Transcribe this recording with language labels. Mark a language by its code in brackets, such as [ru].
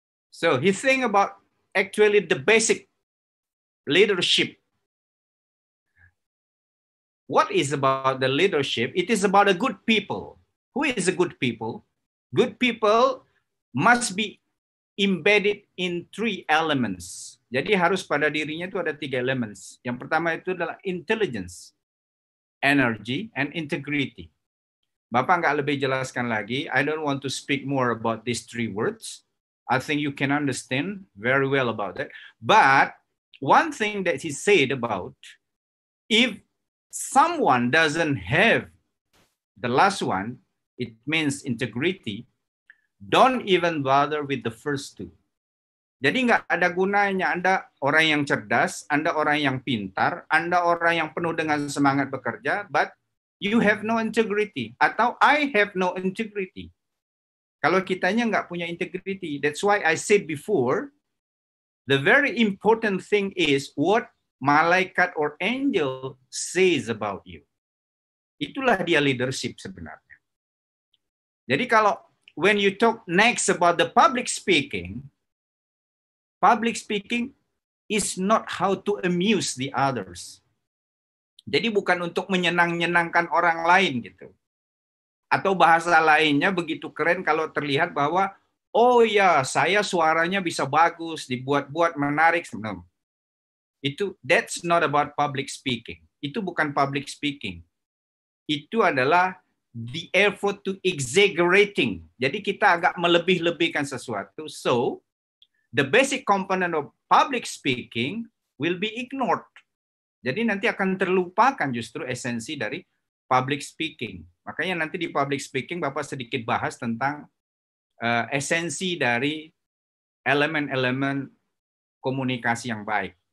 [en] So he think about actually the basic leadership. What is about the leadership? It is about a good people. Who is a good people? Good people must be embedded in three elements. [id] Jadi harus pada dirinya itu ada tiga elements. Yang pertama itu adalah [en] intelligence, energy, and integrity. [id] Bapak nggak lebih jelaskan lagi. [en] I don't want to speak more about these three words. I think you can understand very well about that. But one thing that he said about, if someone doesn't have the last one, it means integrity, don't even bother with the first two. [id] Jadi nggak ada gunanya Anda orang yang cerdas, Anda orang yang pintar, Anda orang yang penuh dengan semangat bekerja, [en] but you have no integrity, [id] atau [en] I have no integrity. [id] Kalau kitanya nggak punya integrity, [en] that's why I said before, the very important thing is what malaikat or angel says about you. [id] Itulah dia leadership sebenarnya. Jadi kalau [en] when you talk next about the public speaking is not how to amuse the others. [id] Jadi bukan untuk menyenang-nyenangkan orang lain gitu. Atau bahasa lainnya begitu keren kalau terlihat bahwa oh ya, saya suaranya bisa bagus, dibuat-buat menarik. No. Itu [en] that's not about public speaking. [id] Itu bukan [en] public speaking. [id] Itu adalah [en] the effort to exaggerating. [id] Jadi kita agak melebih-lebihkan sesuatu. [en] So, the basic component of public speaking will be ignored. [id] Jadi nanti akan terlupakan justru esensi dari public speaking. Makanya nanti di public speaking Bapak sedikit bahas tentang esensi dari elemen-elemen komunikasi yang baik.